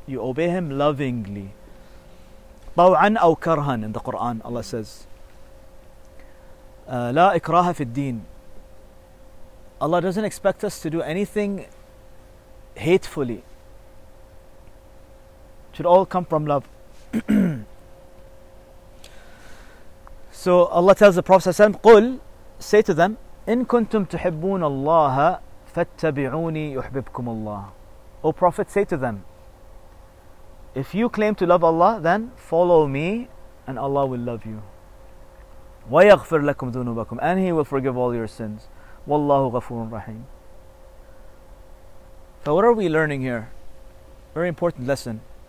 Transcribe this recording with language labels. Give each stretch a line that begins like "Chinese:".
English: You obey him lovingly.
Arabic: طوعاً أو كرهاً
English: in the Quran, Allah says.
Arabic: لا إكراه في الدين.
English: Allah doesn't expect us to do anything hatefully. It should all come from love. So Allah tells the Prophet ﷺ, قل, say to them,
Arabic: إن كنتم تحبون الله فاتبعوني يحببكم الله.
English: O Prophet, say to them, if you claim to love Allah, then follow me and Allah will love you.
Arabic: وَيَغْفِرْ لَكُمْ ذُنُوبَكُمْ
English: and He will forgive all your sins.
Arabic: Wallahu ghafoorun raheem.
English: So what are we learning here? Very important lesson.